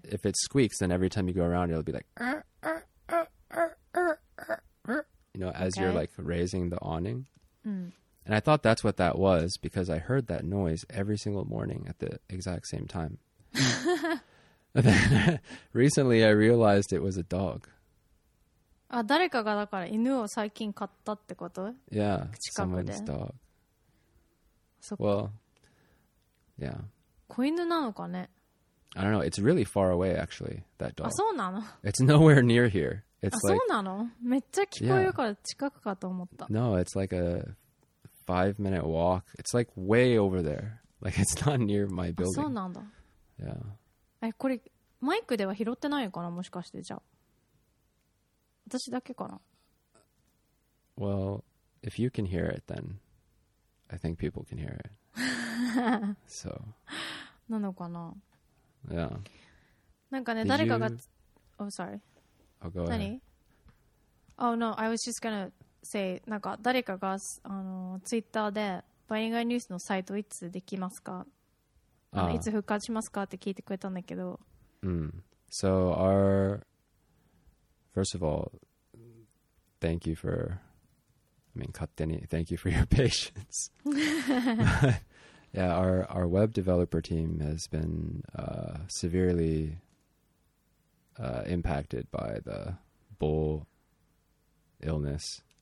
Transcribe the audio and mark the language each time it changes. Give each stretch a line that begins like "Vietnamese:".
English: If it squeaks, then every time you go around, it'll be like, you know, as you're like raising the awning. And I thought that's what that was because I heard that noise every single morning at the exact same time. then, recently, I realized it was a dog.
Japanese: あ、誰かがだから犬を最近買ったってこと?
English: Yeah, someone's dog. Well, yeah.
Japanese: 子犬なのかね?
English: I don't know. It's really far away, actually, that dog.
Japanese: あ、そうなの?
English: It's nowhere near here. It's あ、
Japanese: そうなの? めっちゃ聞こえるから近くかと思った。
English: No, it's like a 5-minute walk. It's like way over there. Like, it's not near my building.
Japanese: あ、そうなんだ。
English: Yeah.
Japanese: え、これマイクでは拾ってないかな、もしかして。じゃあ私だけかな?
English: Well, if you can hear it, then I think people can hear it. So.
Japanese: なのかな?
English: Yeah. なんかね、 Did 誰かが… You... Oh, sorry. Oh, go ahead.
Japanese: 何? Oh, no, I was just gonna say, なんか誰かが、Twitter で、バイリンガルニュースのサイトいつできますか? いつ復活しますかって聞いてくれたんだけど。
English: So our first of all, thank you for, I mean, 勝手に thank you for your patience. Yeah, our web developer team has been severely impacted by the bull illness.